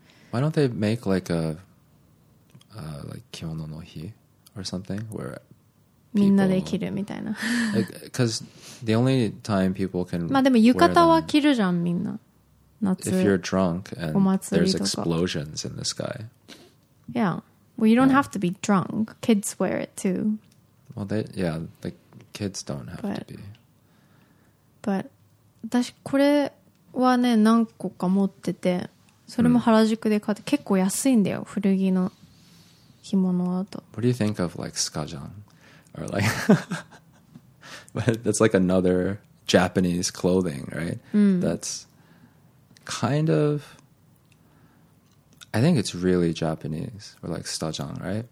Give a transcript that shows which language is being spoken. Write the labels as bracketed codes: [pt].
[en] Why don't they make like a [ja] kimono no hi [en] or something where [ja] みんなで着るみたいな。 [en] Because the only time people can [ja] まあでも浴衣は着るじゃんみんな。夏。 [en] If you're drunk and there's explosions in the sky. Yeah, well you don't have to be drunk. Kids wear it too. Well, they yeah, the kids don't have to be. [ja] But 私これはね何個か持ってて。それも原宿で買って、結構安いんだよ、古着の着物だと。 [en] What do you think of like スカジャン or like but that's like another Japanese clothing, right? That's kind of I think it's really Japanese, or like Stajang, right?